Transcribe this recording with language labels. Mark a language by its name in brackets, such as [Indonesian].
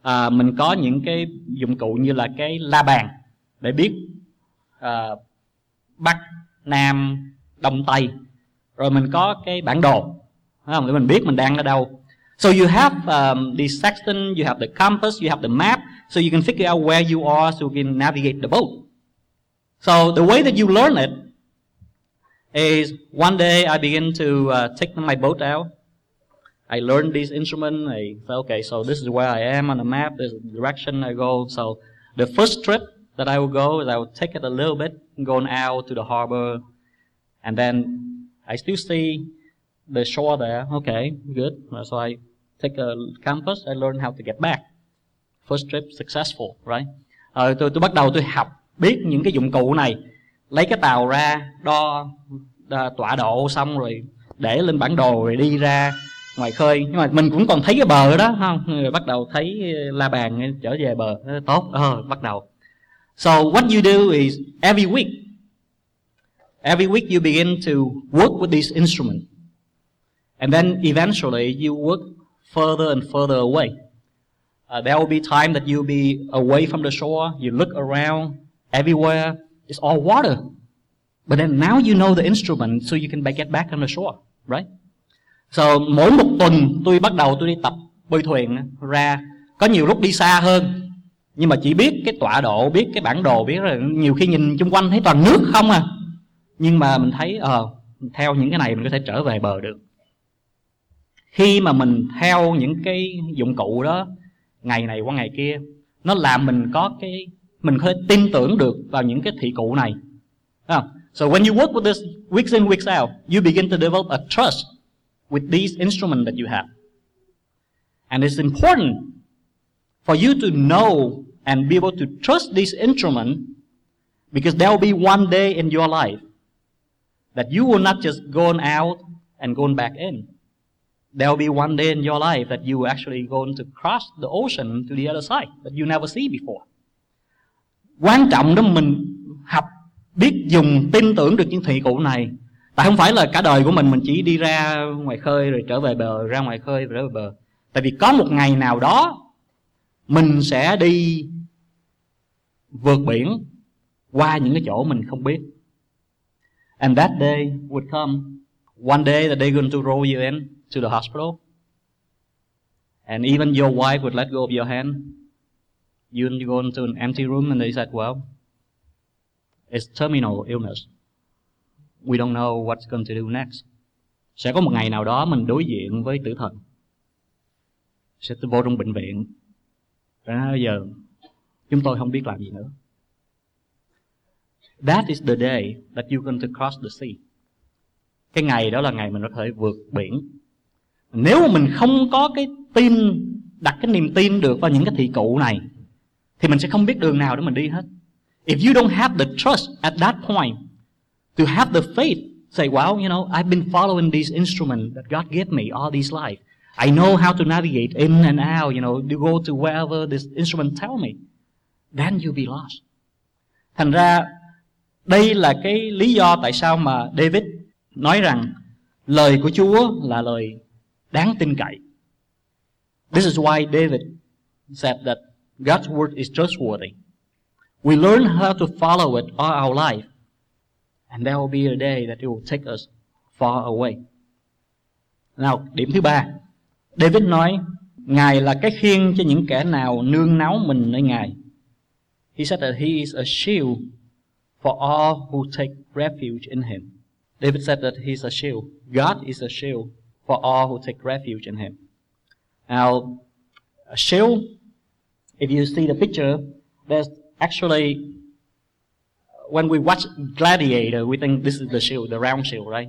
[Vietnamese] Mình có những cái dụng cụ như là cái la bàn để biết bắc, nam, đông, tây. Rồi mình có cái bản đồ, phải không? Để mình biết mình đang ở đâu. [English] So you have the sextant, you have the compass, you have the map, so you can figure out where you are, so you can navigate the boat. So the way that you learn it is one day I begin to take my boat out. I learned this instrument. I said, okay, so this is where I am on the map. This is the direction I go. So the first trip that I will go is I will take it a little bit, going out to the harbor, and then I still see the shore there. Okay, good. So I take a compass. I learn how to get back. First trip successful, right? [Vietnamese] Tôi bắt đầu tôi học biết những cái dụng cụ này, lấy cái tàu ra đo tọa độ xong rồi để lên bản đồ rồi đi ra ngoài khơi. Nhưng mà mình cũng còn thấy cái bờ đó, không? Người bắt đầu thấy la bàn trở về bờ, tốt, bắt đầu. [English] So what you do is every week you begin to work with this instrument. And then eventually you work further and further away. There will be time that you'll be away from the shore, you look around everywhere, it's all water. But then now you know the instrument, so you can get back on the shore, right? [Vietnamese] So mỗi một tuần tôi bắt đầu tôi đi tập bơi thuyền ra, có nhiều lúc đi xa hơn, nhưng mà chỉ biết cái tọa độ, biết cái bản đồ, biết là nhiều khi nhìn xung quanh thấy toàn nước không à. Nhưng mà mình thấy theo những cái này mình có thể trở về bờ được. Khi mà mình theo những cái dụng cụ đó ngày này qua ngày kia, nó làm mình có cái, mình có thể tin tưởng được vào những cái thị cụ này. [English] So when you work with this weeks in, weeks out, you begin to develop a trust with these instruments that you have. And it's important for you to know and be able to trust these instruments, because there will be one day in your life that you will not just go out and go back in. There will be one day in your life that you will actually go to cross the ocean to the other side that you never see before. [Vietnamese] Quan trọng đó mình học biết dùng, tin tưởng được những thị cụ này. Tại không phải là cả đời của mình chỉ đi ra ngoài khơi rồi trở về bờ, ra ngoài khơi rồi trở về bờ. Tại vì có một ngày nào đó mình sẽ đi vượt biển qua những cái chỗ mình không biết. [English] And that day would come. One day that they're going to roll you in to the hospital. And even your wife would let go of your hand. You'd go into an empty room and they said, well, it's terminal illness. We don't know what's going to do next. [Vietnamese] Sẽ có một ngày nào đó mình đối diện với tử thần. Sẽ vô trong bệnh viện. Và bây giờ chúng tôi không biết làm gì nữa. [English] That is the day that you're going to cross the sea. [Vietnamese] Cái ngày đó là ngày mình có thể vượt biển. Nếu mà mình không có cái tin, đặt cái niềm tin được vào những cái thị cụ này, thì mình sẽ không biết đường nào để mình đi hết. [English] If you don't have the trust at that point, to have the faith, say, well, you know, I've been following this instrument that God gave me all this life. I know how to navigate in and out, you know, to go to wherever this instrument tell me. Then you'll be lost. [Vietnamese] Thành ra, đây là cái lý do tại sao mà David nói rằng lời của Chúa là lời đáng tin cậy. [English] This is why David said that God's word is trustworthy. We learn how to follow it all our life, and there will be a day that it will take us far away. [Vietnamese] Now, điểm thứ ba, David nói, Ngài là cái khiên cho những kẻ nào nương náu mình nơi Ngài. [English] He said that he is a shield for all who take refuge in him. David said that he's a shield. God is a shield for all who take refuge in him. Now, a shield, if you see the picture, there's actually, when we watch Gladiator, we think this is the shield, the round shield, right?